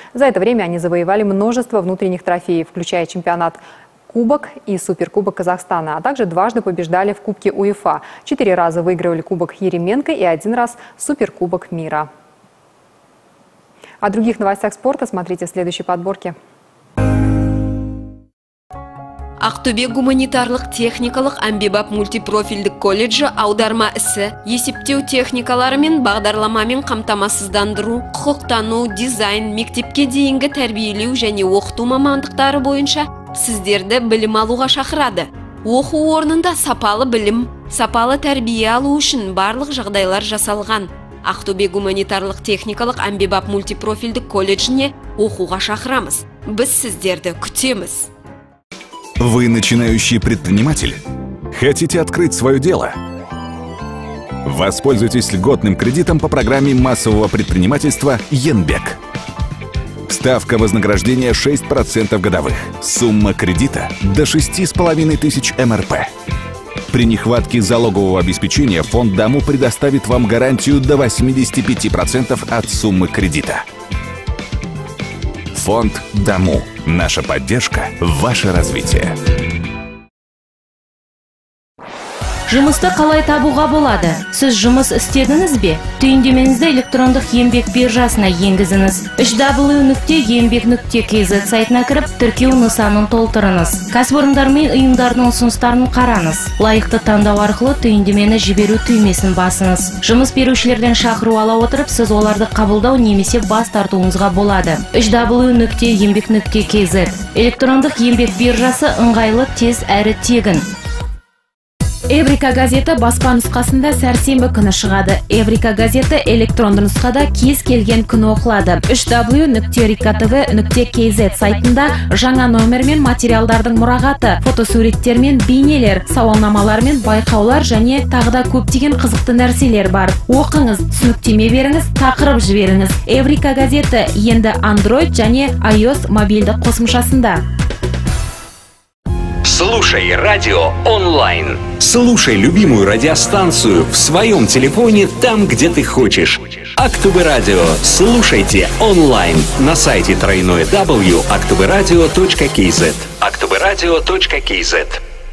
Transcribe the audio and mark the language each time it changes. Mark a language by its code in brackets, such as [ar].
[ru] За это время они завоевали множество внутренних трофеев, включая чемпионат Кубок и Суперкубок Казахстана, а также дважды побеждали в Кубке УЕФА, 4 раза выигрывали Кубок Еременко и 1 раз Суперкубок мира. О других новостях спорта смотрите в следующей подборке. [kk] Ақтөбе гуманитарлық техникалық әмбебап мультипрофильдік колледжі аударма ісі, есептеу техникалары мен бағдарламамен қамтамасыздандыру, құқықтану, дизайн, мектепке дейінгі тәрбиелеу және оқыту мамандықтары бойынша сіздерді білім алуға шақырады. Оқу орнында сапалы білім, сапалы тәрбие алу үшін барлық жағдайлар жасалған. Ақтөбе гуманитарлық техникалық әмбебап мультипрофильдік колледжіне оқуға шақырамыз. Біз сіздерді күтеміз. [ru] Вы начинающий предприниматель? Хотите открыть свое дело? Воспользуйтесь льготным кредитом по программе массового предпринимательства «Енбек». Ставка вознаграждения 6% годовых. Сумма кредита до 6500 МРП. При нехватке залогового обеспечения фонд «Даму» предоставит вам гарантию до 85% от суммы кредита. Фонд «Даму». Наша поддержка – ваше развитие. [kk] Жұмысты қалай табуға болады? Сіз жұмыс істедіңіз бе? Түйіндеменізді электрондық еңбек биржасына енгізіңіз. www.enbek.kz сайтына кіріп, тіркеу нысанын толтырыңыз. Кәсіпорындар мен ұйымдардың ұсыныстарын қараңыз. Лайықты таңдау арқылы түйіндемені жіберу түймесін басыңыз. Жұмыс берушілерден шақыру ала отырып, сіз оларды қабылдау немесе бас тартуыңызға болады. www.enbek.kz электрондық еңбек биржасы ыңғайлы, тез әрі тегін. Эврика газеті баспа нұсқасында сәрсенбі күні шығады. Эврика газеті электронды нұсқада кез келген күні оқылады. www.rikatv.kz сайтында жаңа номер мен материалдардың мұрағаты, фотосуреттер мен бейнелер, сауалнамалар мен байқаулар және тағыда көптеген қызықты нәрселер бар. Оқыңыз, түсініктеме беріңіз, тақырып жіберіңіз. Эврика газеті енді Android және iOS мобильді қосымшасында. [ru] Слушай радио онлайн. Слушай любимую радиостанцию в своем телефоне там, где ты хочешь. Актобе радио. Слушайте онлайн на сайте www.aktoberadio.kz. www.aktoberadio.kz.